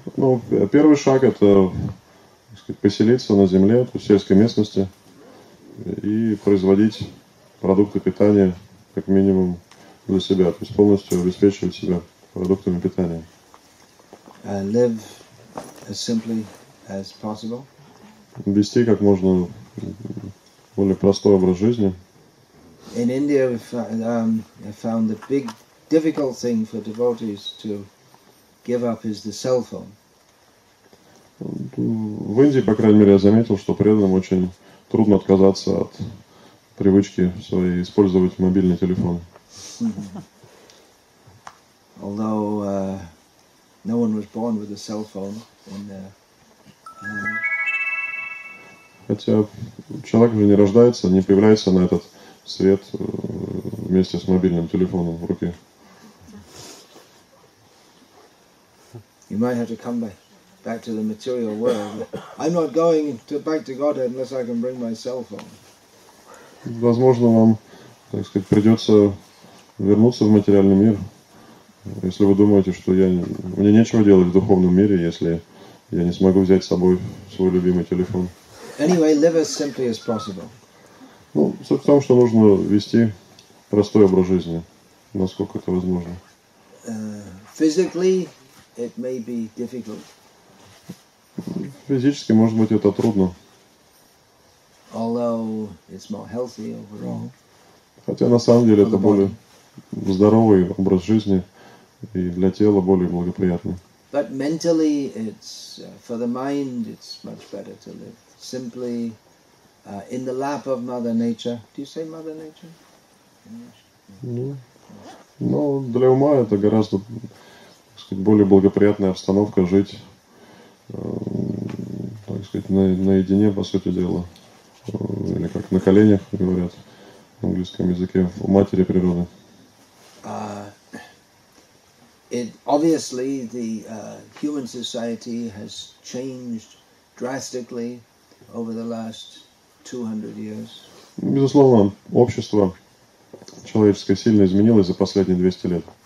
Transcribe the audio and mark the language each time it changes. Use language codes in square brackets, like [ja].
[ru] Ну, первый шаг это, так сказать, поселиться на земле, в сельской местности и производить продукты питания как минимум для себя, то есть полностью обеспечивать себя продуктами питания. [en] Live as simply as possible. [ru] Вести как можно более простой образ жизни. [en] In India, we found, I found the big difficult thing for devotees to give up is the cell phone. [ru] В Индии, по крайней мере, я заметил, что преданным очень трудно отказаться от привычки своей использовать мобильный телефон. [en] Although no one was born with a cell phone in their [ru] Хотя человек же не рождается, не появляется на этот свет вместе с мобильным телефоном в руке. [en] You might have to come back to the material world. I'm not going to back to Godhead unless I can bring my cell phone. [ru] Возможно, вам, так сказать, придется вернуться в материальный мир, если вы думаете, что мне нечего делать в духовном мире, если я не смогу взять с собой свой любимый телефон. [en] Anyway, live as simply as possible. [ru] Ну, суть в том, что нужно вести простой образ жизни, насколько это возможно. [en] Physically, it may be difficult. [ru] Физически, может быть, это трудно. [en] Although it's more healthy overall. [ru] Хотя на самом деле это более здоровый образ жизни и для тела более благоприятный. [en] But mentally, it's for the mind, it's much better to live. Simply in the lap of Mother Nature. Do you say Mother Nature? [ru] Ну, для ума это гораздо, так сказать, более благоприятная обстановка жить, так сказать, наедине, по сути дела, или как на коленях говорят в английском языке, у матери природы. [en] It obviously the human society has changed drastically. Over the last 200 years. [ru] Безусловно, общество человеческое сильно изменилось за последние 200 лет.